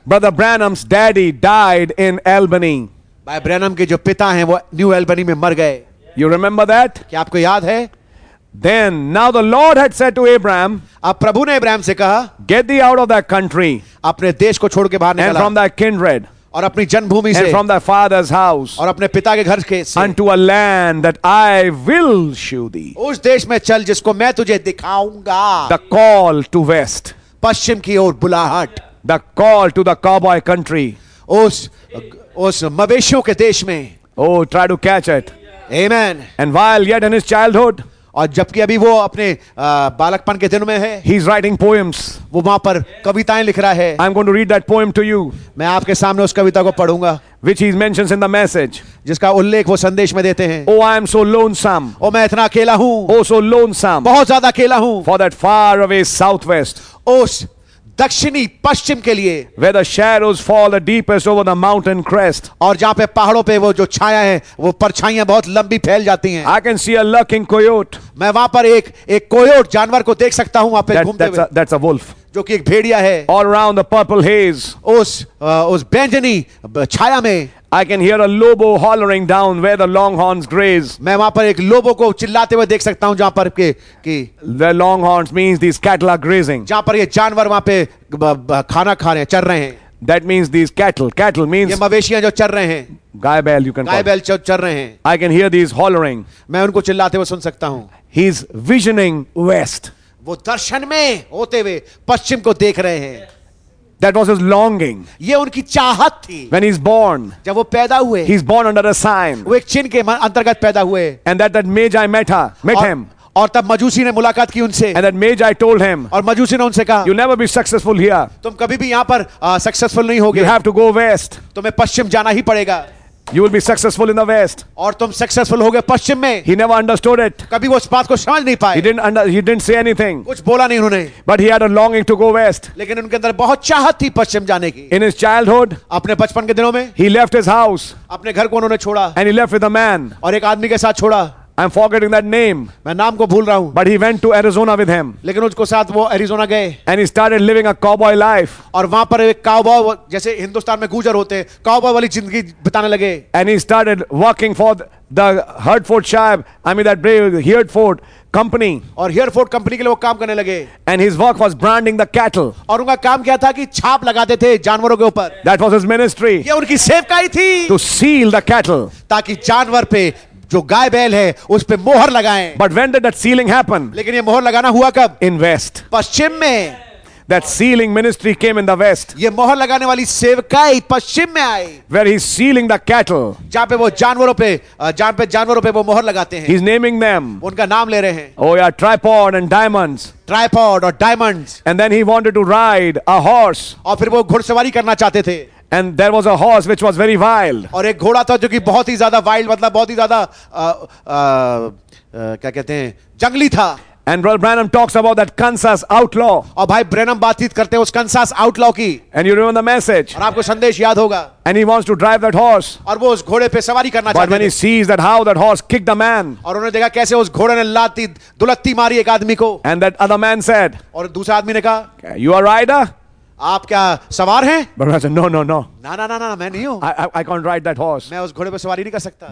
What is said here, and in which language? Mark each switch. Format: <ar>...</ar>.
<en>Brother Branham's daddy died in Albany.</en> <hi>भाई Branham के जो पिता हैं वो न्यू एल्बनी में मर गए.</hi> <en>You remember that?</en> <hi>क्या आपको याद है?</hi> <en>Then, now the Lord had said to Abraham,</en> <hi>अब प्रभु ने अब्राहम से कहा,</hi> <en>get thee out of that country,</en> <hi>अपने देश को छोड़ के बाहर निकला,</hi> <en>and from thy kindred,</en> <hi>और अपनी जन्मभूमि से,</hi> <en>and from thy father's house,</en> <hi>और अपने पिता के घर के से,</hi> <en>unto a land that I will show thee,</en> <hi>उस देश में चल जिसको मैं तुझे दिखाऊंगा,</hi> <en>the call to west,</en> <hi>पश्चिम की ओर बुलाहट,</hi> <en>the call to the cowboy country,</en> <hi>उस मवेशियों के देश में,</hi> <en>oh try to catch it, amen, and while yet in his childhood.</en> <hi>और जबकि अभी वो अपने बालकपन के दिनों में है,</hi> <en>he is writing poems.</en> <hi>वो वहां पर कविताएं लिख रहा है.</hi> <en>I am going to read that poem to you.</en> <hi>मैं आपके सामने उस कविता को पढ़ूंगा.</hi> <en>Which he mentions in the message.</en> <hi>जिसका उल्लेख वो संदेश में देते हैं.</hi> <en>Oh, I am so lonesome.</en> <hi>ओ मैं इतना अकेला हूँ.</hi> <en>Oh, so lonesome.</en> <hi>बहुत ज्यादा अकेला हूँ.</hi> <en>For that far away southwest.</en> <hi>उस दक्षिणी पश्चिम के लिए.</hi> <en>Where the shadows fall the deepest over the mountain crest.</en> <hi>और जहाँ पे पहाड़ों पे वो जो छाया है वो परछाइयाँ बहुत लंबी फैल जाती हैं.</hi> <en>I can see a lurking coyote.</en> <hi>मैं वहाँ पर एक कोयोट जानवर को देख सकता हूँ वहाँ पे घूमते हुए.</hi> <en>That's a wolf.</en> <hi>जो कि एक भेड़िया है.</hi> <en>All around the purple haze.</en> <hi>उस बैंगनी छाया में.</hi> <en>I can hear a lobo hollering down where the longhorns graze.</en> <hi>मैं वहाँ पर एक लोबो को चिल्लाते हुए देख सकता हूँ जहाँ पर कि</hi> <en>the longhorns means these cattle are grazing.</en> <hi>जहाँ पर ये जानवर वहाँ पे खाना खा रहे हैं, चर रहे हैं.</hi> <en>That means these cattle means</en> <hi>ये मवेशियाँ जो चर रहे हैं. गाय बैल</hi> <en>you can</en> <hi>गाय बैल जो चर रहे हैं.</hi> <en>I can hear these hollering.</en> <hi>मैं उनको चिल्लाते हुए सुन सकता हूँ.</hi> <en>He's visioning west.</en> <hi>वो दर्शन में होते हुए पश्चिम को देख रहे हैं.</hi> <en>That was his longing.</en> <hi>ये उनकी चाहत थी.</hi> <en>When he's born.</en> <hi>जब वो पैदा हुए.</hi> <en>He's born under a sign.</en> <hi>वो एक चिन्ह के अंतर्गत पैदा हुए.</hi> <en>And that Magi met him.</en> <hi>और तब मजूसी ने मुलाकात की उनसे.</hi> <en>And that Magi told him.</en> <hi>और मजूसी ने उनसे कहा.</hi> <en>You'll never be successful here.</en> <hi>तुम कभी भी यहाँ पर successful नहीं होगे.</hi> <en>You have to go west.</en> <hi>तुम्हें पश्चिम जाना ही पड़ेगा.</hi> <en>You will be successful in the west.</en> <hi>और तुम successful होगे पश्चिम में.</hi> <en>He never understood it.</en> <hi>कभी वो इस बात को समझ नहीं पाए.</hi> <en>He didn't say anything.</en> <hi>कुछ बोला नहीं उन्होंने.</hi> <en>But he had a longing to go west.</en> <hi>लेकिन उनके अंदर बहुत चाहत थी पश्चिम जाने की.</hi> <en>In his childhood.</en> <hi>अपने बचपन के दिनों में.</hi> <en>He left his house.</en> <hi>अपने घर को उन्होंने छोड़ा.</hi> <en>And he left with a man.</en> <hi>और एक आदमी के साथ छोड़ा.</hi> <en>I'm forgetting that name.</en> <hi>मैं नाम को भूल रहा हूँ.</hi> <en>But he went to Arizona with him.</en> <hi>लेकिन उसको साथ वो Arizona गए.</hi> <en>And he started living a cowboy life.</en> <hi>और वहाँ पर एक cowboy जैसे हिंदुस्तान में गुजर होते हैं cowboy वाली जिंदगी बिताने लगे.</hi> <en>And he started working for the Hertfordshire, I mean that brave Hereford company.</en> <hi>और Hereford company के लिए वो काम करने लगे.</hi> <en>And his work was branding the cattle.</en> <hi>और उनका काम क्या था कि छाप लगाते थे जानवरों के ऊपर.</hi> <en>That was his ministry.</en> <hi>ये उनकी सेवकाई थी.</hi> <en>To seal the cattle.</en> <hi>ताकि जानवर पे जो गाय बैल है उस पे मोहर लगाएं.</hi> <en>But when did that sealing happen?</en> <hi>लेकिन ये मोहर लगाना हुआ कब?</hi> <en>In west.</en> <hi>पश्चिम में.</hi> <en>That sealing ministry came in the west.</en> <hi>ये मोहर लगाने वाली सेवकाई पश्चिम में आई.</hi> <en>Where he's sealing the cattle.</en> <hi>जहाँ पे वो जानवरों पे वो मोहर लगाते हैं.</hi> <en>He's naming them.</en> <hi>उनका नाम ले रहे हैं.</hi> <en>Oh yeah, tripod and diamonds. Tripod or diamonds. And then he wanted to ride a horse.</en> <hi>और फिर वो घुड़सवारी करना चाहते थे.</hi> <en>And there was a horse which was very wild.</en> <hi>और एक घोड़ा था जो कि बहुत ही ज़्यादा wild मतलब बहुत ही ज़्यादा क्या कहते हैं जंगली था.</hi> <en>And Brother Branham talks about that Kansas outlaw.</en> <hi>और भाई ब्रैनम बातचीत करते हैं उस कंसास आउटलॉ की.</hi> <en>And you remember the message.</en> <hi>और आपको संदेश याद होगा.</hi> <en>And he wants to drive that horse.</en> <hi>और वो उस घोड़े पे सवारी करना चाहते हैं.</hi> <en>But when he sees that how that horse kicked the man.</en> <hi>और उन्होंने देखा कैसे उस घोड़े ने लाती दुलत्ती मारी एक आदमी को.</hi> <en>And that other man said.</en> <hi>और दूसरा आदमी ने कहा.</hi> <en>You are rider.</en> <hi>आप क्या सवार हैं?</hi> <en>But I said, no.</en> <hi>ना ना ना ना मैं नहीं हूँ.</hi> <en>I can't ride that horse.</en> <hi>मैं उस घोड़े पर सवारी नहीं कर सकता.</hi>